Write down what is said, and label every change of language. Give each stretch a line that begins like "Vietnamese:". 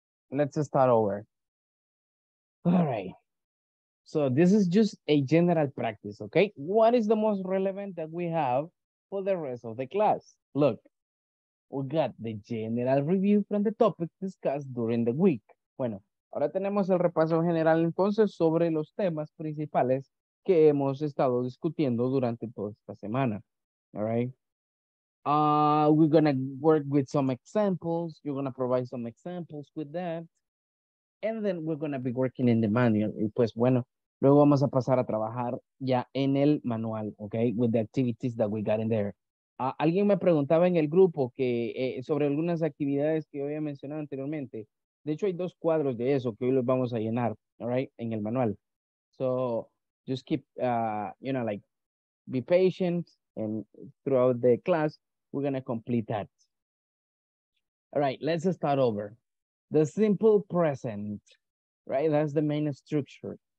English: Let's start over. All right. So this is just a general practice, okay? What is the most relevant that we have for the rest of the class? Look. We got the general review from the topic discussed during the week.
Spanish: Bueno, ahora tenemos el repaso general entonces sobre los temas principales que hemos estado discutiendo durante toda esta semana.
English: All right. We're going to work with some examples. You're going to provide some examples with that. And then we're going to be working in the manual.
Spanish: Y pues bueno, luego vamos a pasar a trabajar ya en el manual, okay,
English: with the activities that we got in there.
Spanish: Alguien me preguntaba en el grupo que sobre algunas actividades que yo había mencionado anteriormente. De hecho, hay 2 cuadros de eso que hoy los vamos a llenar, all right, en el manual.
English: So, just keep, you know, like, be patient, and throughout the class, we're going to complete that. All right, let's start over. The simple present, right, that's the main structure.